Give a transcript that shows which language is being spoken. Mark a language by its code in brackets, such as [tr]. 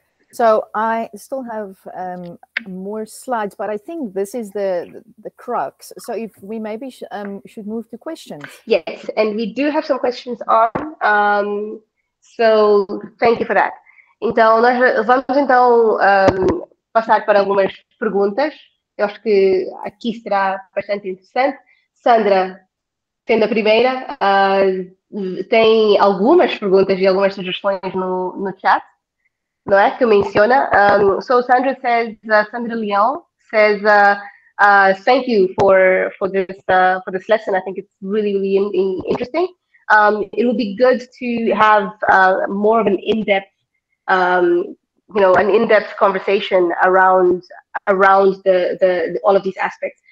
[en] So I still have more slides, but I think this is the crux. So if we maybe should move to questions. Yes, and we do have some questions on. So thank you for that. [pt] Então, nós vamos então passar para algumas perguntas. Eu acho que aqui será bastante interessante. Sandra, sendo a primeira, tem algumas perguntas e algumas sugestões no chat, não é? Que menciona. [en] So Sandra says, Sandra Leão says, thank you for this lesson. I think it's really, really interesting. It would be good to have more of an in-depth an in-depth conversation around the all of these aspects.